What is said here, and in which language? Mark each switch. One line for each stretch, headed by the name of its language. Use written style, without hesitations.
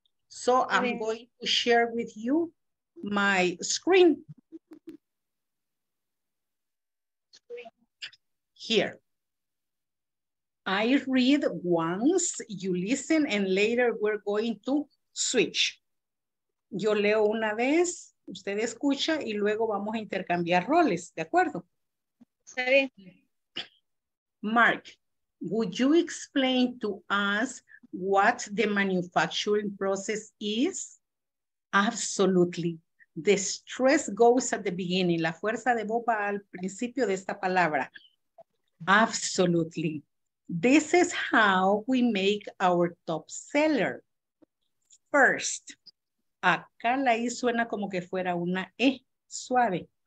English: So I'm going to share with you my screen. Here. I read once, you listen, and later we're going to switch.
Spanish: Yo leo una vez. Usted escucha y luego vamos a intercambiar roles, ¿de acuerdo? Está bien.
English: Mark, would you explain to us what the manufacturing process is? Absolutely. The stress goes at the beginning.
Spanish: La fuerza de voz va al principio de esta palabra.
English: Absolutely. This is how we make our top seller. First.
Spanish: Acá la I suena como que fuera una E, suave.